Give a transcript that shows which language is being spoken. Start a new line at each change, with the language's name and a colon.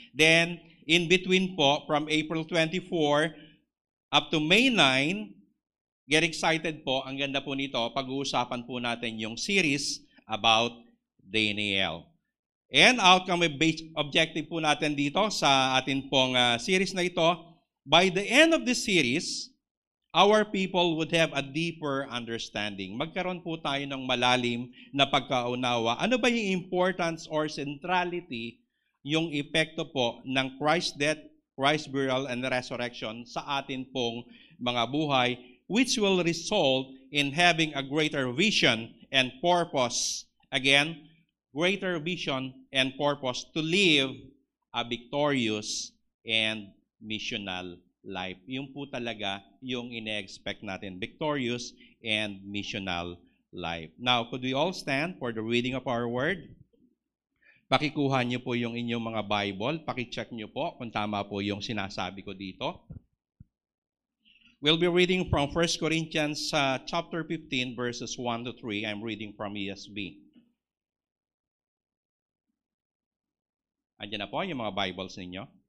English: Then, in between po, from April 24 up to May 9, get excited po,
Filipino: ang ganda po nito, pag-uusapan po natin yung
English: series about Daniel. And outcome objective
Filipino: po natin dito sa ating pong
English: series na ito, by the end of this series, our people would have a deeper understanding.
Filipino: Magkaroon po tayo ng malalim na pagkaunawa. Ano ba yung
English: importance or centrality,
Filipino: yung epekto po ng
English: Christ's death, Christ's burial, and resurrection
Filipino: sa atin pong mga buhay,
English: which will result in having a greater vision and purpose. Again, greater vision and purpose to live a victorious and missional life.
Filipino: Yung po talaga yung ine-expect natin.
English: Victorious and missional life. Now, could we all stand for the reading of our word?
Filipino: Pakikuha niyo po yung inyong mga Bible. Pakicheck niyo po kung tama po yung sinasabi ko dito.
English: We'll be reading from 1 Corinthians chapter 15, verses 1 to 3. I'm reading from ESV.
Filipino: Andiyan na po yung mga Bibles ninyo.